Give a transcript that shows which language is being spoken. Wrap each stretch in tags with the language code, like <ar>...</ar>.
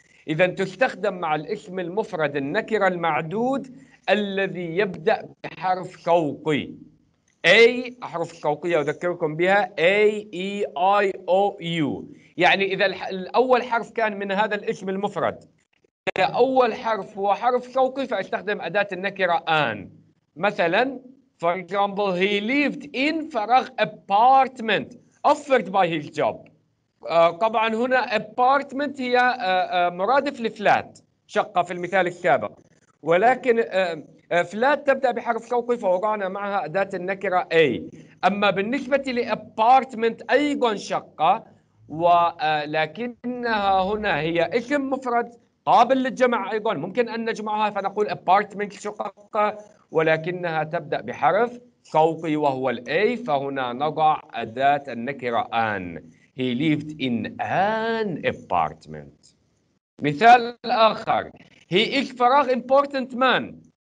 <ar>إذا تستخدم مع الاسم المفرد النكرة المعدود الذي يبدأ بحرف صوتي، أي حرف صوتية أذكركم بها A-E-I-O-U. يعني إذا الأول حرف كان من هذا الاسم المفرد، إذا أول حرف هو حرف صوتي فأستخدم أداة النكرة آن. مثلا</ar> <en>for example he lived in</en> <ar>فراغ</ar> <en>apartment offered by his job.</en> <ar>طبعا هنا apartment هي مرادف لفلات شقة في المثال السابق، ولكن فلات تبدأ بحرف صوتي فوضعنا معها أداة النكرة أي. أما بالنسبة لapartment أيضا شقة، ولكنها هنا هي اسم مفرد قابل للجمع أيضا، ممكن أن نجمعها فنقول apartment شقة، ولكنها تبدأ بحرف صوتي وهو الأي، فهنا نضع أداة النكرة آن.</ar> <en>He lived in an apartment.</en> <ar>مثال آخر:</ar> <en>He is</en> <ar>فراغ</ar> <en>important man.</en>